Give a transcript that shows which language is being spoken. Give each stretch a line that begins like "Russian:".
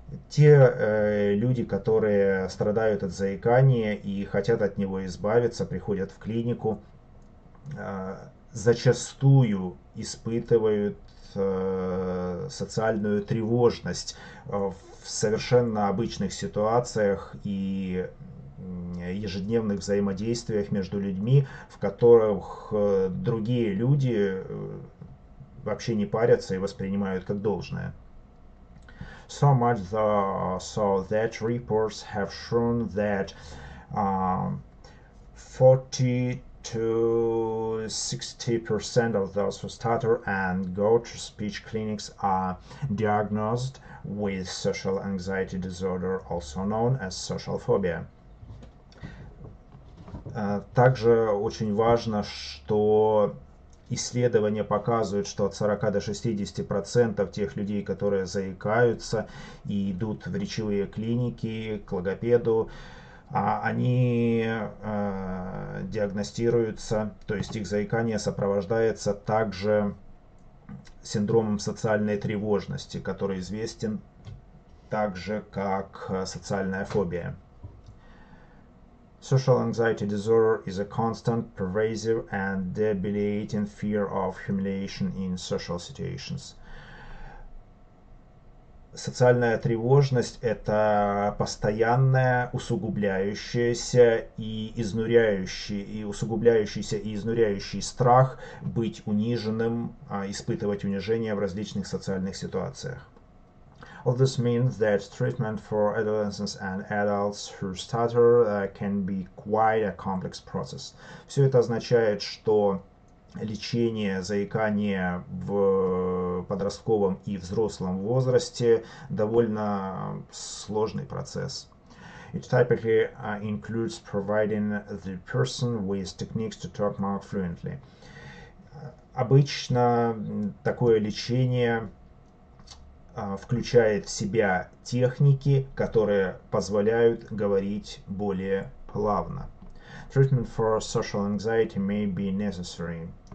Russian: Те люди, которые страдают от заикания и хотят от него избавиться, приходят в клинику, зачастую испытывают социальную тревожность в совершенно обычных ситуациях и ежедневных взаимодействиях между людьми, в которых другие люди вообще не парятся и воспринимают как должное.
English: So much so that reports have shown that 40 to 60% of those who stutter and go to speech clinics are diagnosed with social anxiety disorder, also known as social phobia.
Russian: Также очень важно, что исследования показывают, что от 40 до 60% тех людей, которые заикаются и идут в речевые клиники, к логопеду, они диагностируются, то есть их заикание сопровождается также синдромом социальной тревожности, который известен также как социальная фобия.
English: Social anxiety disorder is a constant, pervasive and debilitating fear of humiliation in social situations.
Russian: Социальная тревожность – это постоянная, усугубляющийся и изнуряющий страх быть униженным, испытывать унижение в различных социальных ситуациях.
English: All this means that treatment for adolescents and adults who stutter can be quite a complex process.
Russian: Все это означает, что лечение заикания в подростковом и взрослом возрасте довольно сложный процесс.
English: It typically includes providing the person with techniques to talk more fluently.
Russian: Обычно такое лечение включает в себя техники, которые позволяют говорить более плавно.
English: Treatment for social anxiety may be necessary.